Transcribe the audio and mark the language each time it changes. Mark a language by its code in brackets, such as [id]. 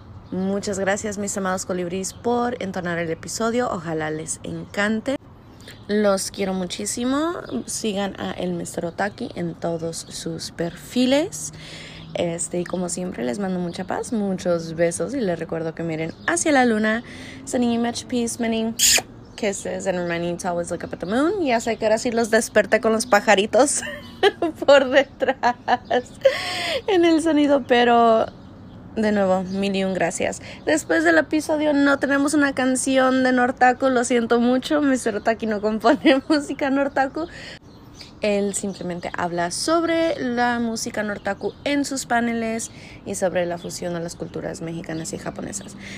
[es] Muchas gracias, mis amados colibrís, por entonar el episodio. Ojalá les encante. Los quiero muchísimo. Sigan a el Mister Otaki en todos sus perfiles. Y como siempre, les mando mucha paz, muchos besos. Y les recuerdo que miren hacia la luna. [en] Sending you much peace, many kisses, and reminding you to always look up at the moon. [es] Ya sé que ahora sí los desperté con los pajaritos por detrás en el sonido, pero... De nuevo, mil y un gracias. Después del episodio no tenemos una canción de Nortaku, lo siento mucho. Mister Otaki no compone música Nortaku. Él simplemente habla sobre la música Nortaku en sus paneles y sobre la fusión de las culturas mexicanas y japonesas.